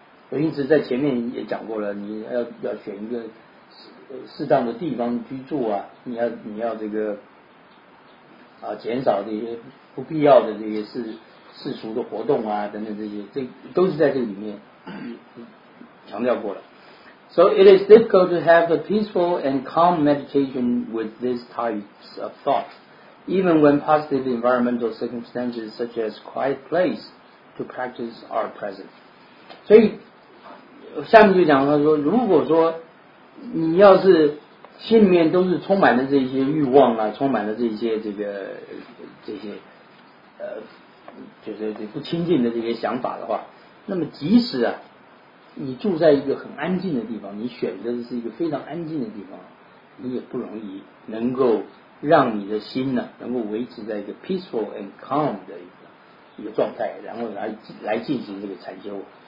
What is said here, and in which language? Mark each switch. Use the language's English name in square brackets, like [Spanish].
[Chinese] 我一直在前面也讲过了，你要选一个适当的地方居住啊，你要这个啊，减少这些不必要的这些世俗的活动啊等等，这些这都是在这里面强调过了。 [English] So it is difficult to have a peaceful and calm meditation with these types of thoughts, even when positive environmental circumstances such as quiet place to practice are present. [Chinese] 所以下面就讲说，如果说你要是心里面都是充满了这些欲望啊，充满了这些就是不清净的这些想法的话，那么即使啊你住在一个很安静的地方，你选择的是一个非常安静的地方，你也不容易能够让你的心呢能够维持在一个 [English] peaceful and calm [Chinese] 的一个状态，然后来进行这个禅修。